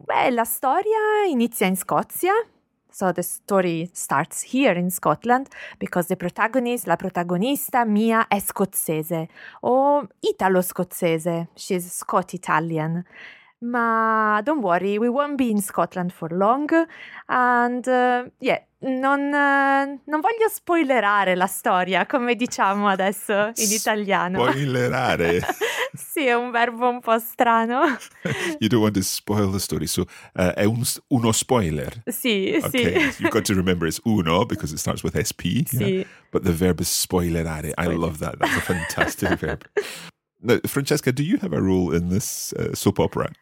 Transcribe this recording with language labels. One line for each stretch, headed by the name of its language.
Italian: La storia inizia in Scozia.
English: So the story starts here in Scotland because the protagonist,
Italian: la protagonista, Mia, è scozzese o italo-scozzese.
English: She's Scot-Italian. Ma don't worry, we won't be in Scotland for long. And
Italian: non voglio spoilerare la storia, come diciamo adesso in italiano. Spoilerare? Sì, è un verbo un po' strano.
English: You don't want to spoil the story.
Italian: So, è uno spoiler? Sì, sì.
English: Okay, you've got to remember it's uno because it starts with SP.
Italian: Sì. Yeah?
English: But the verb is spoilerare. Spoiler. I love that. That's a fantastic verb. Now, Francesca, do you have a role in this soap opera?